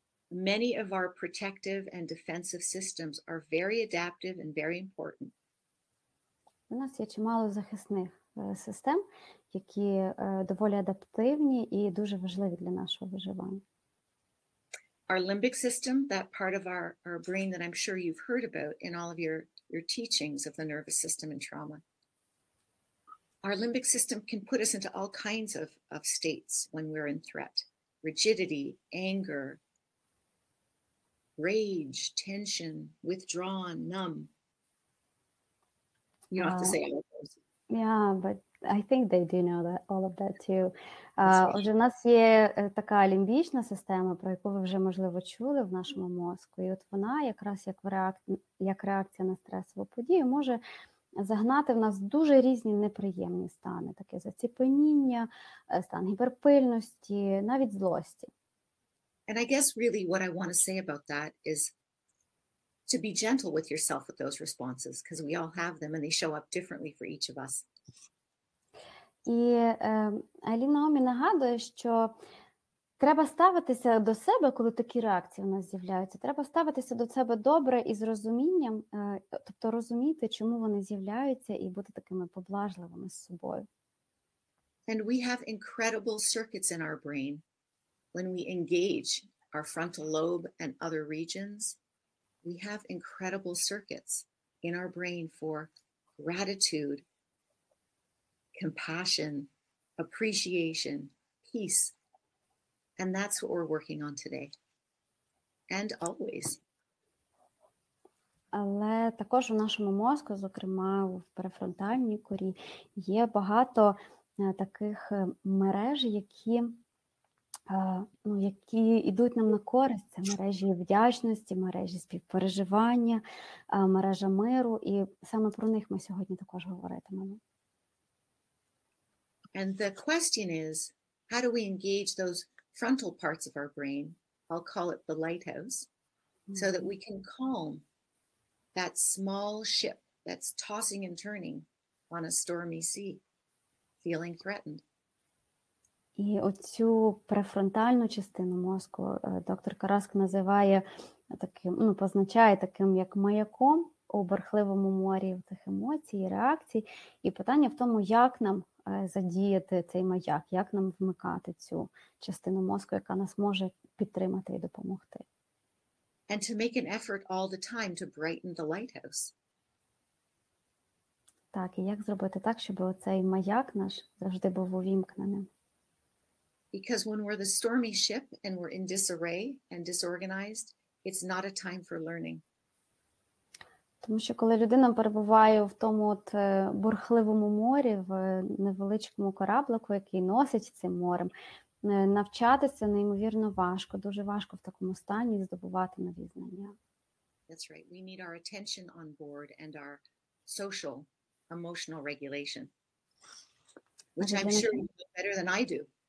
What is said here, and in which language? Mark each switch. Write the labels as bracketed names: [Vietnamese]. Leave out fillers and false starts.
[English] Many of our protective and defensive systems are very adaptive and very important. [Ukrainian] У нас є чимало захисних систем, які доволі адаптивні і дуже важливі для нашого виживання. [English] Our limbic system, that part of our brain that I'm sure you've heard about in all of your teachings of the nervous system and trauma. Our limbic system can put us into all kinds of states when we're in threat. Rigidity, anger, rage, tension, withdrawn, numb. You don't have to say all of those. Yeah, but I think they do know that all of that too. [Ukrainian] Отже, у нас є така лімбічна система, про яку ви вже, можливо, чули в нашому мозку. І от вона якраз як реакція на стресову подію може загнати в нас дуже різні неприємні стани, таке заціпеніння, стан гіперпильності, навіть злості. [English] And I guess really what I want to say about that is to be gentle with yourself with those responses, because we all have them and they show up differently for each of us. [Ukrainian] І Аліна Омі нагадує, що треба ставитися до себе, коли такі реакції у нас з'являються, треба ставитися до себе добре і з розумінням, тобто розуміти, чому вони з'являються, і бути такими поблажливими з собою. [English] And we have incredible circuits in our brain when we engage our frontal lobe and other regions. We have incredible circuits in our brain for gratitude, compassion, appreciation, peace. And that's what we're working on today. And always. [Ukrainian] Але також у нашому мозку, зокрема, в префронтальній корі, є багато таких мереж, які, ну, які йдуть нам на користь. Це мережі вдячності, мережі співпереживання, мережа миру. І саме про них ми сьогодні також говоритимемо. [English] And the question is, how do we engage those frontal parts of our brain, I'll call it the lighthouse, so that we can calm that small ship that's tossing and turning on a stormy sea, feeling threatened. [Ukrainian] І оцю префронтальну частину мозку доктор Караск називає таким, ну, позначає таким, як маяком у бурхливому морі тих емоцій, реакцій. І питання в тому, як нам задіяти цей маяк, як нам вмикати цю частину мозку, яка нас може підтримати і допомогти. [English] And to make an effort all the time to brighten the lighthouse. [Ukrainian] Так, і як зробити так, щоб оцей маяк наш завжди був увімкненим? [English] Because when we're the stormy ship and we're in disarray and disorganized, it's not a time for learning. [Ukrainian] Тому що коли людина перебуває в тому от бурхливому морі, в невеличкому кораблику, який носить цим морем, навчатися неймовірно важко, дуже важко в такому стані здобувати нові знання. [English] That's right. We need our attention on board and our social emotional regulation, which I'm sure you know better than I do.